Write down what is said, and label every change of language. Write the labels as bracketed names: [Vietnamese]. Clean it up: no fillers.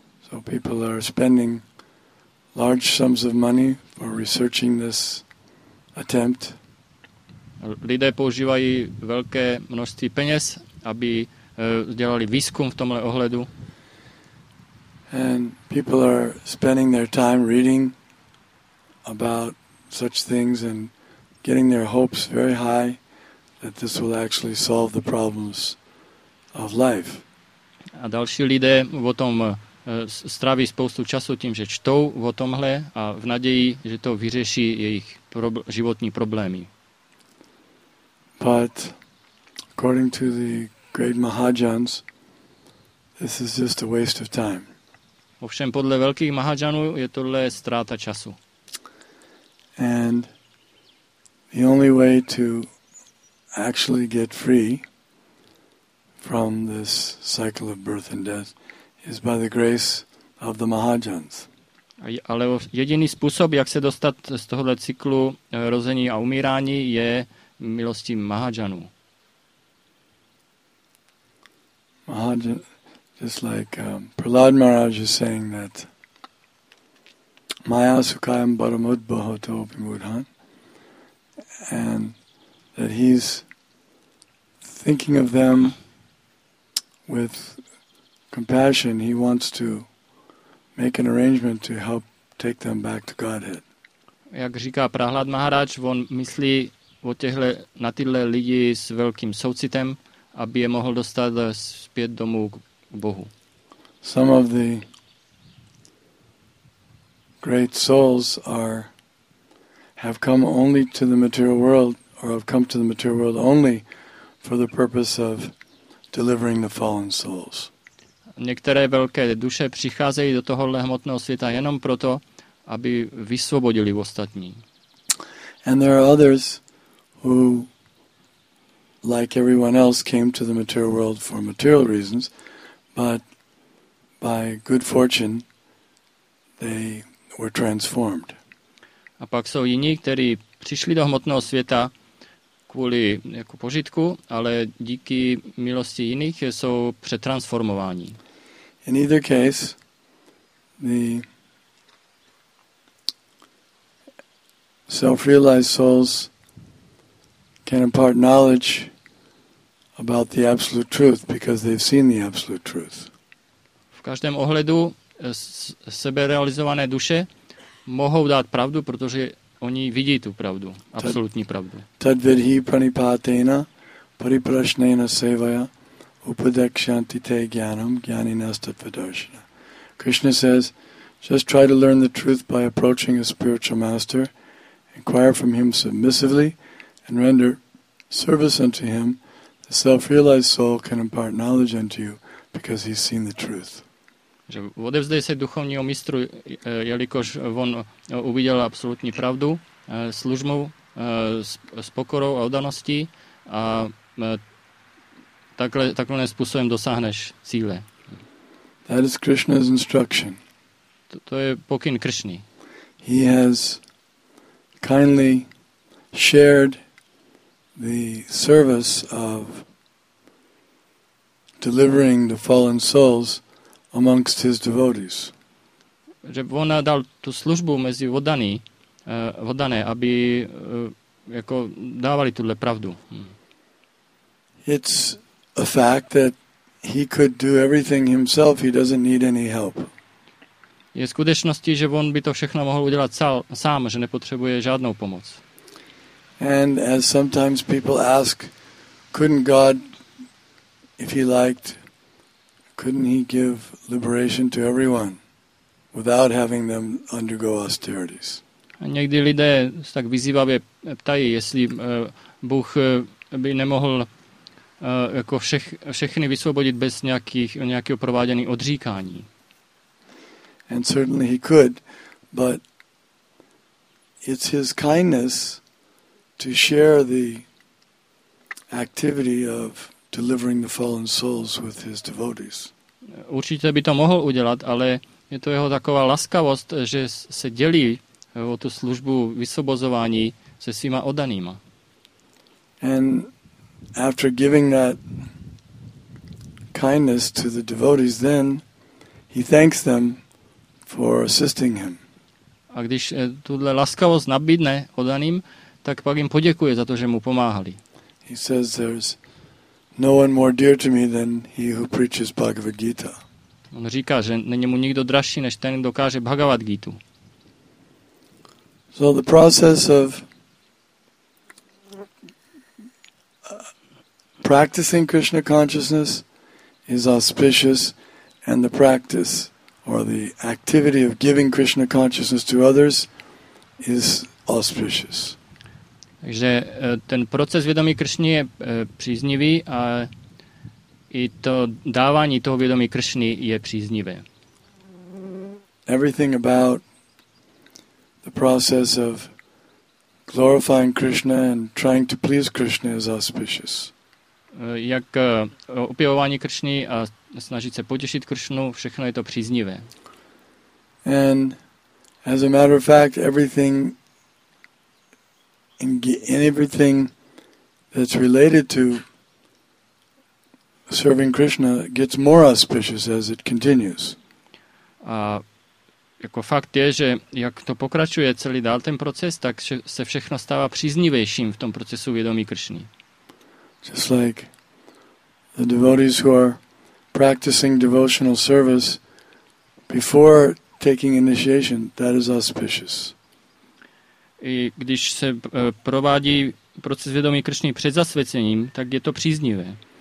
[English] So people are spending large sums of money for researching this attempt. [Czech] Lidé používají velké množství peněz, aby dělali výzkum v tomhle ohledu. [English] And people are spending their time reading about such things and getting their hopes very high that this will actually solve the problems of life. [Czech] A další lidé o tom stráví spoustu času tím, že čtou o tomhle a v naději, že to vyřeší jejich životní problémy. [English] But according to the great Mahajans, this is just a waste of time. [Czech] Ovšem podle velkých Mahajanů je tohle ztráta času. [English] And the only way to actually get free from this cycle of birth and death is by the grace of the Mahajans. [Czech] Ale jediný způsob, jak se dostat z tohohle cyklu rození a umírání, je milostí Mahajanů. [English] Mahajan, just like Prahlad Maharaj is saying that [Sanskrit] Maya Sukhayam Baramud Bahato Vimudhan, [English] and that he's thinking of them with compassion. He wants to make an arrangement to help take them back to Godhead. [Czech] Jak říká Prahlad Maharaj, on myslí o těhle, na tyhle lidi s velkým soucitem, aby je mohl dostat zpět domů k Bohu. [English] Some of the great souls are have come only to the material world, or have come to the material world only for the purpose of delivering the fallen souls. [Czech] Některé velké duše přicházejí do tohohle hmotného světa jenom proto, aby vysvobodili ostatní. [English] And there are others who, like everyone else, came to the material world for material reasons, but by good fortune they were transformed. [Czech] A pak jsou jiní, kteří přišli do hmotného světa kvůli jako požitku, ale díky milosti jiných jsou přetransformováni. [English] In either case, the self-realized souls can impart knowledge about the absolute truth because they've seen the absolute truth. [Czech] V každém ohledu seberealizované duše mohou dát pravdu, protože oni vidí tu pravdu, absolutní pravdu. [Sanskrit] Tadvidhi pranipatena pariprashnena sevaya upadekshanti te gyanam gyani nastatvadarshana. [English] Krishna says, just try to learn the truth by approaching a spiritual master, inquire from him submissively, and render service unto him. The self-realized soul can impart knowledge unto you because he's seen the truth. [Czech] Že odevzdej se duchovního mistru, jelikož on uviděl absolutní pravdu, služ mu s pokorou a oddaností a takhle způsobem dosáhneš cíle. [English] That is Krishna's instruction. [Czech] To je pokyn Krishny. [English] He has kindly shared the service of delivering the fallen souls amongst his devotees. [Czech] Že on dal tu službu mezi vodaní, vodané, aby jako dávali tuhle pravdu. [English] It's a fact that he could do everything himself, he doesn't need any help. [Czech] Je skutečností, že on by to všechno mohl udělat sám, že nepotřebuje žádnou pomoc. [English] And as sometimes people ask, couldn't God, if he liked, couldn't he give liberation to everyone without having them undergo austerities? [Czech] A někdy lidé tak vyzývavě ptají, jestli Bůh by nemohl jako všechny vysvobodit bez nějakého provádění odříkání. [English] And certainly he could, but it's his kindness to share the activity of delivering the fallen souls with his devotees. [Czech] Určitě by to mohl udělat, ale je to jeho taková laskavost, že se dělí o tu službu vysvobozování se svýma oddanýma. [English] And after giving that kindness to the devotees, then He thanks them for assisting him. [Czech] A když tuhle laskavost nabídne oddaným, tak pak jim poděkuje za to, že mu pomáhali. [English] He says there's no one more dear to me than he who preaches Bhagavad Gita. [Czech] On říká, že není mu nikdo dražší než ten, kdo káže Bhagavad Gitu. [English] So the process of practicing Krishna consciousness is auspicious, and the practice or the activity of giving Krishna consciousness to others is auspicious. [Czech] Takže ten proces vědomí Kršny je příznivý a i to dávání toho vědomí Kršny je příznivé. [English] Everything about the process of glorifying Krishna and trying to please Krishna is auspicious. [Czech] Jak opěvování Kršny a snažit se potěšit Kršnu, všechno je to příznivé. [English] And as a matter of fact, everything in everything that's related to serving Krishna gets more auspicious as it continues. [Czech] A jako fakt je, že jak to pokračuje celý dál ten proces, tak se všechno stává příznivějším v tom procesu vědomí Kršny. [English] Just like the devotees who are practicing devotional service before taking initiation, that is auspicious. [Czech] I když se provádí proces vědomí Kršny před zasvěcením, tak je to příznivé.